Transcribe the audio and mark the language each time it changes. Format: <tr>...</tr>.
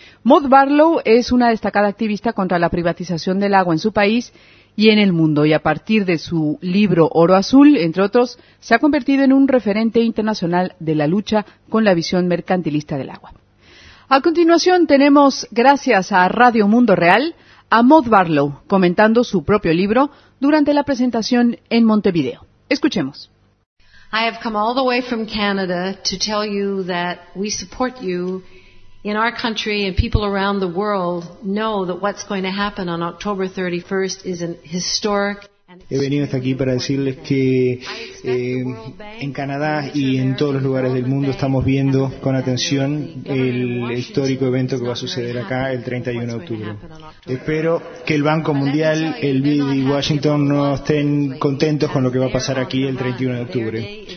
<es>Maud Barlow es una destacada activista contra la privatización del agua en su país y en el mundo, y a partir de su libro Oro Azul, entre otros, se ha convertido en un referente internacional de la lucha con la visión mercantilista del agua. A continuación tenemos, gracias a Radio Mundo Real, a Maud Barlow comentando su propio libro durante la presentación en Montevideo. Escuchemos.</es> <en>I have come all the way from Canada to tell you that we support you in our country, and people around the world know that what's going to happen on October 31st is an historic.</en> <es>He venido hasta aquí para decirles que en Canadá y en todos los lugares del mundo estamos viendo con atención el histórico evento que va a suceder acá el 31 de octubre. Espero que el Banco Mundial, el BID y Washington no estén contentos con lo que va a pasar aquí el 31 de octubre.</es>